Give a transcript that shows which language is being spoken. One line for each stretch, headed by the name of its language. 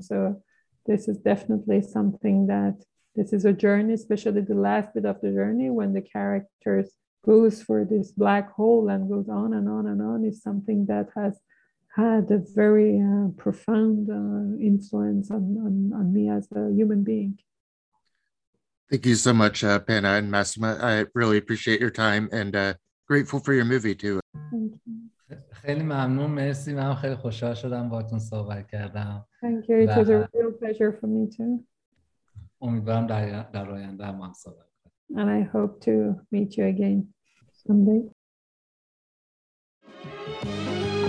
English: So this is definitely something that this is a journey, especially the last bit of the journey when the characters goes for this black hole and goes on and on and on, is something that has had a very profound influence on me as a human being. Thank you so much, Panna and Massima. I really appreciate your time and grateful for your movie too. Thank you.
Persian: خیلی ممنون، مرسی. من خیلی خوشحال شدم باهاتون صحبت کردم.
English: Thank you. It was a real pleasure for me too.
Persian: امیدوارم در آینده هم صحبت کنیم.
English: And I hope to meet you again someday.